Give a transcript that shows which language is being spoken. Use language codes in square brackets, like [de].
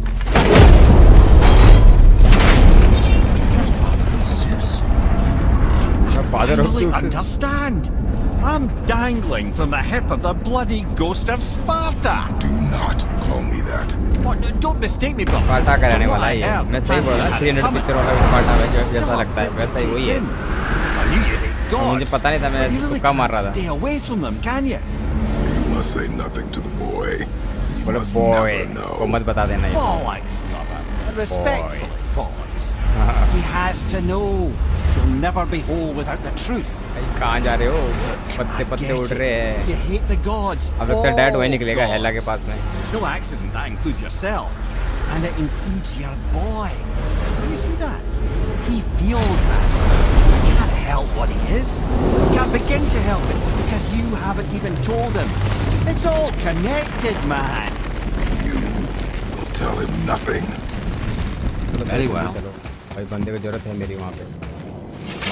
[en] Father of Zeus. I really understand. I'm dangling from the hip of the bloody ghost of Sparta. Do not call me that. What? Don't mistake me, brother. [hi] Sparta का रहने वाला है ये. मैं सही बोल रहा हूँ. 300 पिक्चर वाला Sparta है जैसा लगता है. वैसा ही वही है. मुझे पता नहीं था मैं तुक्का मार रहा था. [en] Stay away from them, can you? You must say nothing to the boy. You must never know. [hi] को मत बता देना ये. [en] Bollocks, brother. Respectfully, boys. He has to know. You'll never be whole without the truth. [hi] कहाँ जा रहे हो? पत्ते पत्ते उड़ रहे हैं। अब लगता है डैड वहीं निकलेगा हेला के पास में। [en] It's no accident that includes yourself, and it includes your boy. You see that? He feels that. He can't help what he is. He can't begin to help it because you haven't even told him. It's all connected, man. You will tell him nothing. Very well. [hi] भाई बंदे को जरूरत है मेरी वहाँ पे।